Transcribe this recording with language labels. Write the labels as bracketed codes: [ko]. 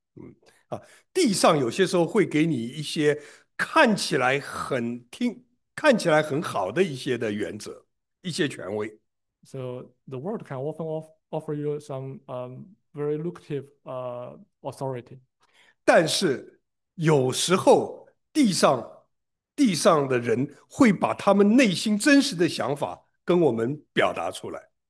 [zh] 嗯，啊，地上有些时候会给你一些看起来很听，看起来很好的一些的原则，一些权威。 [en] So the world can often offer you some very lucrative authority. [zh] 但是有时候地上的人会把他们内心真实的想法跟我们表达出来。